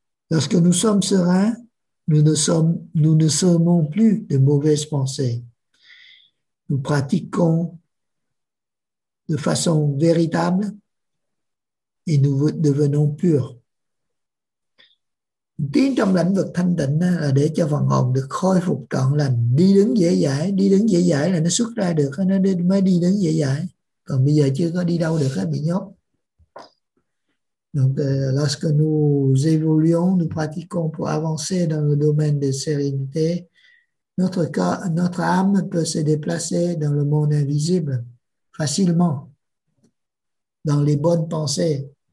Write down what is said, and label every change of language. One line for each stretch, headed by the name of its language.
French: Lorsque nous sommes sereins, nous ne sommes plus de mauvaises pensées. Nous pratiquons de façon véritable et nous devenons purs.
Vietnamese: Tiến trong lĩnh vực thanh tịnh là để cho phần hồn được khôi phục trọn lành, đi đứng dễ dãi là nó xuất ra được, nó mới đi đứng dễ dãi. Còn bây giờ chưa có đi đâu được, bị nhốt.
French: Donc lorsque nous évoluons, nous pratiquons pour avancer dans le domaine de sérénité, notre âme peut se déplacer dans le monde invisible facilement, dans les bonnes pensées.